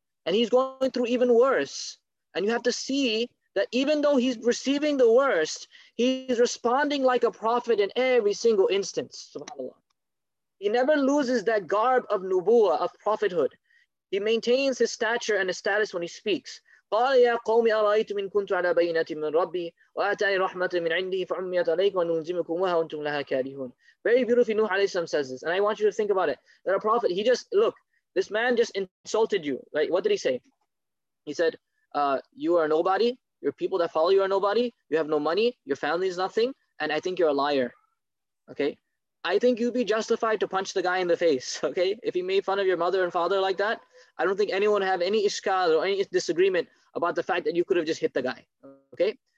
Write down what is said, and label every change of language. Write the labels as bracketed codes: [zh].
[en] And he's going through even worse. And you have to see that even though he's receiving the worst, he's responding like a prophet in every single instance. SubhanAllah. He never loses that garb of nubuwa, of prophethood. He maintains his stature and his status when he speaks. [ar] قَالَ يَا قَوْمِ أَرَأَيْتُمْ إِنْ كُنْتُ عَلَى بَيْنَةٍ مِنْ رَبِّي وَآتَانِي رَحْمَةً مِنْ عِنْدِهِ فَعُمِّيَتْ عَلَيْكُمْ وَنُلْزِمُكُمْ وَهَا أَنْتُمْ لَهَا كَارِهُونَ [en] Very beautifully, Nuh alayhi salam says this. And I want you to think about it. That a prophet, he just, look, this man just insulted you. Right? What did he say? He said, you are nobody. Your people that follow you are nobody. You have no money. Your family is nothing. And I think you're a liar. Okay? I think you'd be justified to punch the guy in the face, okay? If he made fun of your mother and father like that, I don't think anyone would have any ishkal or any disagreement about the fact that you could have just hit the guy, okay?